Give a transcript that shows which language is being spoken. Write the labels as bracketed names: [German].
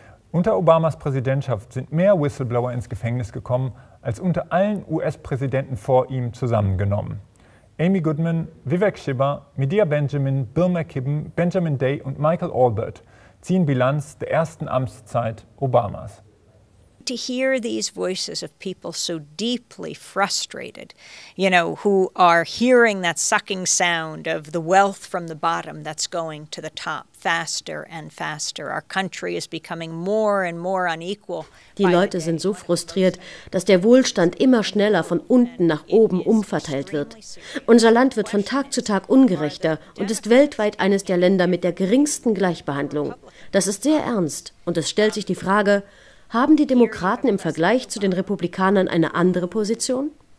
[German] Unter Obamas Präsidentschaft sind mehr Whistleblower ins Gefängnis gekommen, als unter allen US-Präsidenten vor ihm zusammengenommen. Amy Goodman, Vivek Shiba, Medea Benjamin, Bill McKibben, Benjamin Day und Michael Albert ziehen Bilanz der ersten Amtszeit Obamas. [English] To hear these voices of people so deeply frustrated, you know, who are hearing that sucking sound of the wealth from the bottom that's going to the top faster and faster. Our country is becoming more and more unequal. [German] Die Leute sind so frustriert, dass der Wohlstand immer schneller von unten nach oben umverteilt wird. Unser Land wird von Tag zu Tag ungerechter und ist weltweit eines der Länder mit der geringsten Gleichbehandlung. Das ist sehr ernst und es stellt sich die Frage, haben die Demokraten im Vergleich zu den Republikanern eine andere Position?